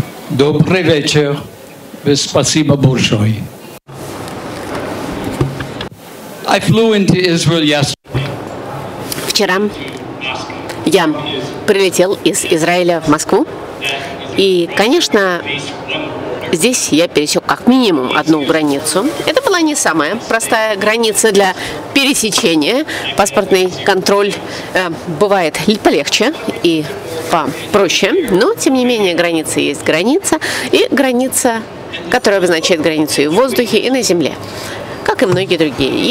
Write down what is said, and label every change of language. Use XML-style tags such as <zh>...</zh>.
<ru>Добрый вечер, спасибо большое.</ru> <en>I flew into Israel yesterday.</en> <ru>Вчера я прилетел из Израиля в Москву, и, конечно, здесь я пересек как минимум одну границу. Это была не самая простая граница для пересечения. Паспортный контроль бывает полегче и попроще, но, тем не менее, граница есть граница, и граница, которая обозначает границу и в воздухе, и на земле, как и многие другие.</ru>